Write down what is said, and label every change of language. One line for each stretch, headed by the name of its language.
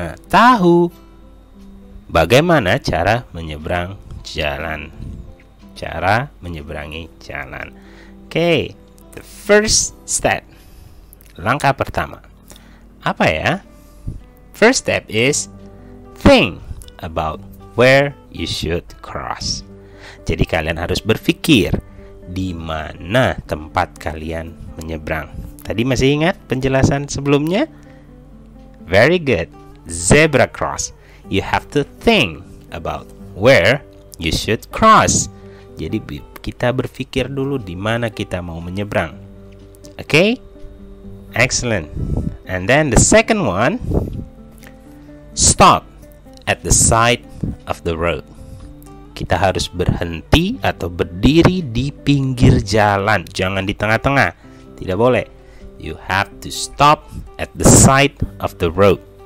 Indonesian: Tahu bagaimana cara menyeberang jalan. Cara menyeberangi jalan. Okay, the first step. Langkah pertama. Apa ya?
English: First step is think about where you should cross.
Indonesian: Jadi kalian harus berpikir di mana tempat kalian menyeberang. Tadi masih ingat penjelasan sebelumnya?
English: Very good. Zebra cross. You have to think about where you should cross.
Indonesian: Jadi kita berpikir dulu di mana kita mau menyeberang.
English: Okay? Excellent. And then the second one. Stop at the side of the road.
Indonesian: Kita harus berhenti atau berdiri di pinggir jalan. Jangan di tengah-tengah. Tidak boleh.
English: You have to stop at the side of the road.